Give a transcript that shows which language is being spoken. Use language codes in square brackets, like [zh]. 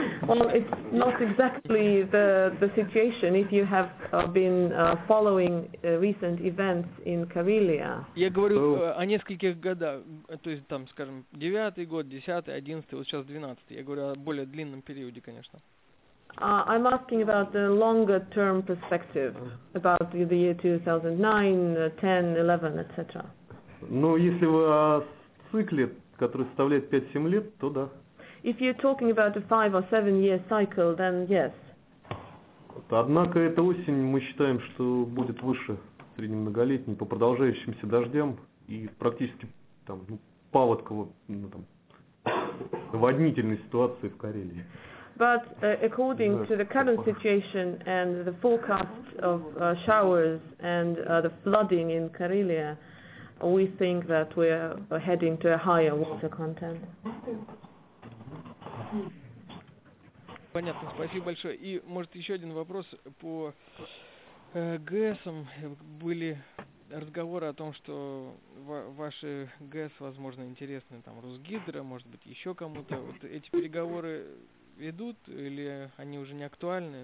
[en] Well, it's not exactly the situation if you have been following recent events in Karelia. [ru] Я говорю о нескольких годах, то есть там, скажем, 9-й год, 10-й, 11-й, вот сейчас 12-й. Я говорю о более длинном периоде, конечно. [en] I'm asking about the longer term perspective, about the year 2009, 10, 11, etc. [ru] Ну, если вы о цикле, который составляет 5-7 лет, то да. [en] If you're talking about a 5 or 7 year cycle, then yes. [ru] Однако эта осень мы считаем, что будет выше среднемноголетней по продолжающимся дождям и практически там паводковой, ну, там наводнительной ситуации в Карелии. [en] But according to the current situation and the forecast of showers and the flooding in Karelia, we think that we're heading to a higher water content. [ru] Понятно, спасибо большое. И, может, еще один вопрос по ГЭСам. Были разговоры о том, что ваши ГЭС, возможно, интересны там Росгидро, может быть, еще кому-то. Вот эти переговоры идут или они уже не актуальны?